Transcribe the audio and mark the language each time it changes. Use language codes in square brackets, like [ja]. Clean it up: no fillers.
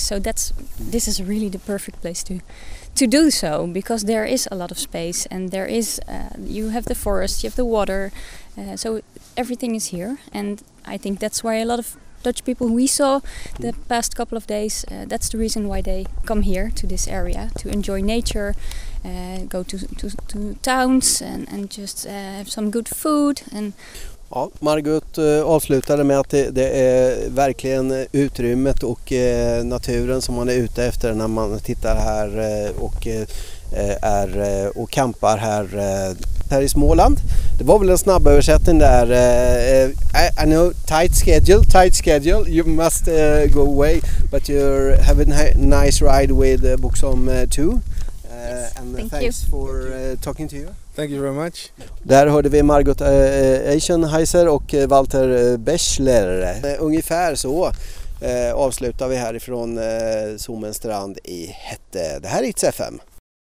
[en] So this is really the perfect place to do so, because there is a lot of space, and there is you have the forest, you have the water, so everything is here. And I think that's why a lot of Dutch people we saw the past couple of days, that's the reason why they come here to this area, to enjoy nature, go to towns and just have some good food. And [sv] ja, Margot avslutade med att det är verkligen utrymmet och naturen som man är ute efter när man tittar här och är och kampar här. Här i Småland. Det var väl en snabb översättning där. [en] I know tight schedule. You must go away, but you're having a nice ride with Boxholm 2. And thanks for talking to you. Thank you very much. [sv] Där hörde vi Margot Eichenheiser och Walter Bechler. Ungefär så avslutar vi härifrån Sommenstrand i Hette. Det här är ITS FM.